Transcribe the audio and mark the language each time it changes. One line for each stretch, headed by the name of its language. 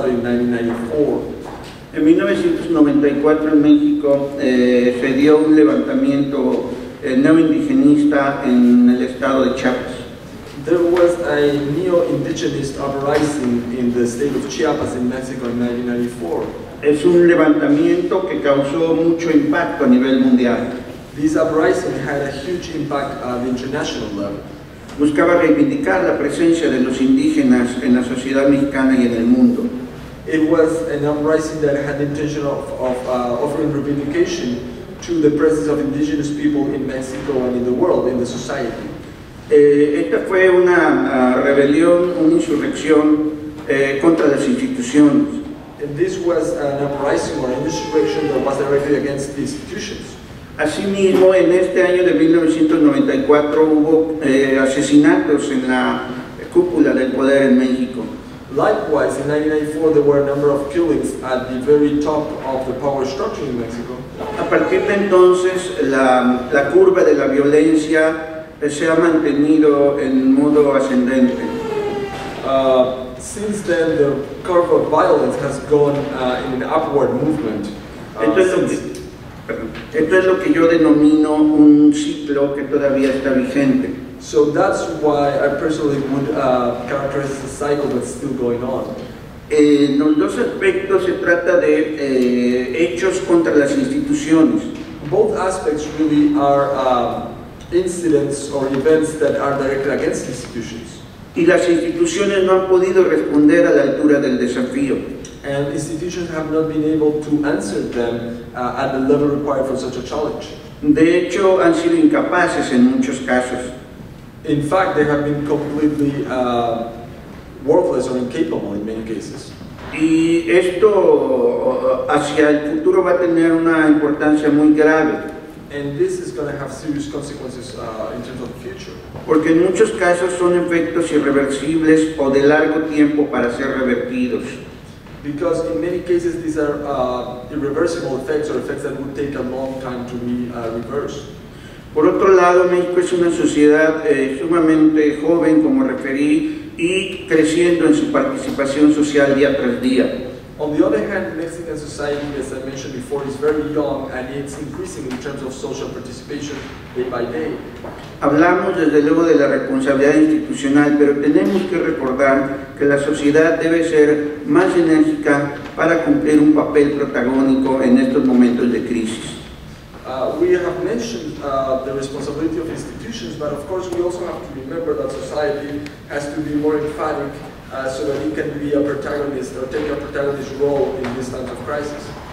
Spanish: En 1994 en México se dio un levantamiento neo-indigenista en el estado de Chiapas.
English: There was a neo-indigenous uprising in the state of Chiapas in Mexico in 1994.
Spanish: Es un levantamiento que causó mucho impacto a nivel mundial.
English: This uprising had a huge impact at the international level.
Spanish: Buscaba reivindicar la presencia de los indígenas en la sociedad mexicana y en el mundo.
English: It was an uprising that had the intention of offering reivindication to the presence of indigenous people in Mexico and in the world, in the society.
Spanish: Esta fue una rebelión, una insurrección contra las instituciones.
English: And this was an uprising or an insurrection that was directed against the institutions.
Spanish: Asimismo, en este año de 1994 hubo asesinatos en la cúpula del poder en México.
English: Likewise, in 1994 there were a number of killings at the very top of the power structure in Mexico.
Spanish: A partir de entonces, la curva de la violencia se ha mantenido en modo ascendente.
English: Since then, the curve of violence has gone in an upward movement.
Spanish: Esto es lo que yo denomino un ciclo que todavía está vigente.
English: So that's why I personally would characterize the cycle that's still going on.
Spanish: En los dos aspectos se trata de hechos contra las instituciones.
English: Both aspects really are incidents or events that are directed against institutions.
Spanish: Y las instituciones no han podido responder a la altura del desafío.
English: And institutions have not been able to answer them at the level required for such a challenge.
Spanish: De hecho, han sido incapaces en muchos casos.
English: In fact, they have been completely worthless or incapable in many cases.
Spanish: Y esto hacia el futuro va a tener una importancia muy grave.
English: And this is going to have serious consequences in terms of the future.
Spanish: Porque en muchos casos son efectos irreversibles o de largo tiempo para ser revertidos.
English: Because in many cases these are irreversible effects or effects that would take a long time to be reversed.
Spanish: Por otro lado, México es una sociedad sumamente joven, como referí, y creciendo en su participación social día tras día.
English: On the other hand, Mexican society, as I mentioned before, is very young and it's increasing in terms of social participation day by day.
Spanish: Hablamos desde luego de la responsabilidad institucional, pero tenemos que recordar que la sociedad debe ser más enérgica para cumplir un papel protagónico en estos momentos de crisis.
English: We have mentioned the responsibility of institutions, but of course we also have to remember that society has to be more emphatic so that it can be a protagonist or take a protagonist role in these times of crisis.